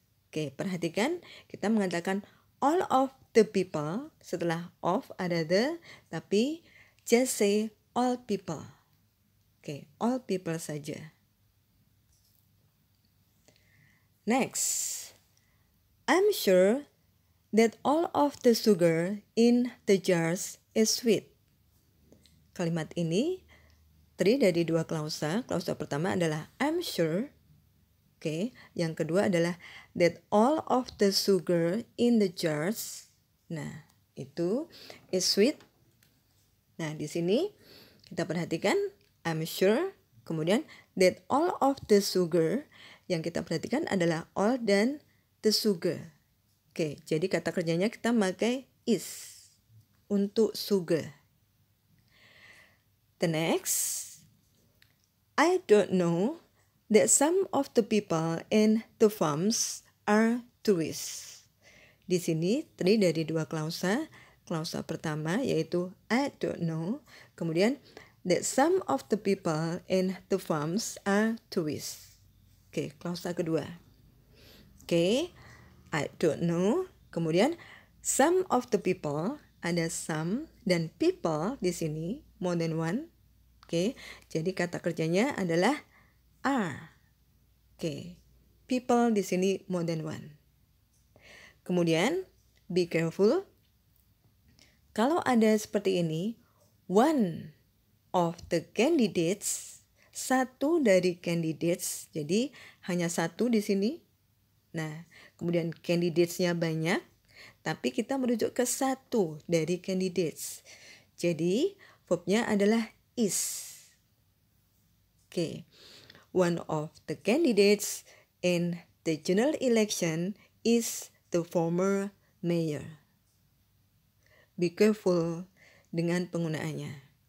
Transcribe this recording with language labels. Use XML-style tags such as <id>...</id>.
<id>Oke, perhatikan kita mengatakan</id> <en>all of the people,</en> <id>setelah of ada the, tapi</id> <en>just say all people.</en> <id>Oke, all people saja.</id> <en>Next, I'm sure that all of the sugar in the jars is sweet.</en> <id>Kalimat ini terdiri dari dua klausa. Klausa pertama adalah I'm sure. Oke, yang kedua adalah</id> <en>that all of the sugar in the jars, nah, itu is sweet.</en> <id>Nah, di sini kita perhatikan</id> <en>I'm sure,</en> <id>kemudian</id> <en>that all of the sugar</en> <id>yang kita perhatikan adalah all dan the sugar. Oke, jadi kata kerjanya kita pakai is untuk sugar.</id> <en>The next, I don't know that some of the people in the farms are tourists.</en> <id>Di sini terdiri dari dua klausa. Klausa pertama yaitu</id> <en>I don't know, kemudian that some of the people in the farms are tourists.</en> <id>Oke, klausa kedua.</id> <en>Oke, I don't know, kemudian some of the people, ada some dan people di sini, more than one.</en> <id>Oke, jadi kata kerjanya adalah are.</id> <en>Oke, people</en> <id>di sini</id> <en>more than one. Kemudian, be careful.</en> <id>Kalau ada seperti ini,</id> <en>one of the candidates,</en> <id>satu dari candidates, jadi hanya satu di sini. Nah, kemudian candidates-nya banyak, tapi kita merujuk ke satu dari candidates. Jadi, verb-nya adalah is. Oke.</id> <en>One of the candidates in the general election is the former mayor. Be careful</en> <id>dengan penggunaannya.</id>